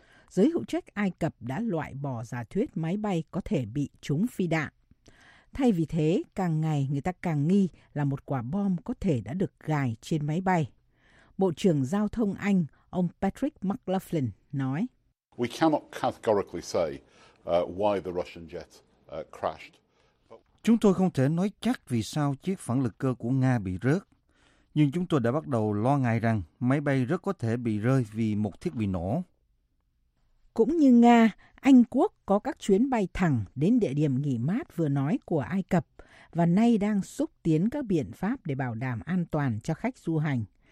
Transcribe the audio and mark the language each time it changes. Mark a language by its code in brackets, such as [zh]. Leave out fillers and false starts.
[vi] Giới hữu trách Ai Cập đã loại bỏ giả thuyết máy bay có thể bị trúng phi đạn. Thay vì thế, càng ngày người ta càng nghi là một quả bom có thể đã được gài trên máy bay. Bộ trưởng Giao thông Anh, ông Patrick McLaughlin, nói: [en] "We cannot categorically say why the Russian jet crashed." [vi] Chúng tôi không thể nói chắc vì sao chiếc phản lực cơ của Nga bị rớt, nhưng chúng tôi đã bắt đầu lo ngại rằng máy bay rất có thể bị rơi vì một thiết bị nổ. Cũng như Nga, Anh Quốc có các chuyến bay thẳng đến địa điểm nghỉ mát vừa nói của Ai Cập và nay đang xúc tiến các biện pháp để bảo đảm an toàn cho khách du hành.